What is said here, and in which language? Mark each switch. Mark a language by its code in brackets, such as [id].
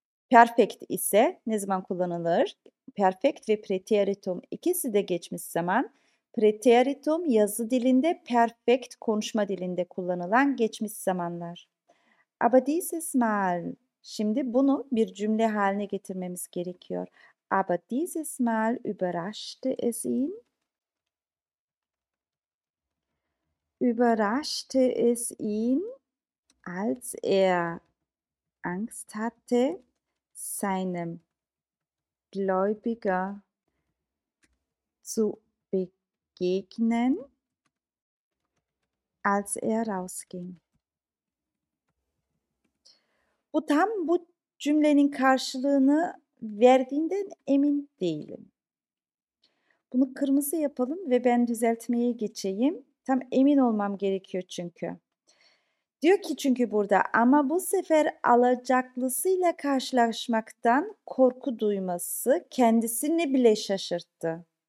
[tr] Perfect ise ne zaman kullanılır? Perfect ve preteritum ikisi de geçmiş zaman. Preteritum yazı dilinde, perfect konuşma dilinde kullanılan geçmiş zamanlar. [de] Aber dieses Mal, [tr] şimdi bunu bir cümle haline getirmemiz gerekiyor. [de] Aber dieses Mal überraschte es ihn. Überraschte es ihn, als er Angst hatte, seinem Gläubiger zu begegnen, als er rausging. [tr] Bu tam bu cümlenin karşılığını verdiğinden emin değilim. Bunu kırmızı yapalım ve ben düzeltmeye geçeyim. Tam emin olmam gerekiyor çünkü. Diyor ki çünkü burada, ama bu sefer alacaklısıyla karşılaşmaktan korku duyması kendisini bile şaşırttı.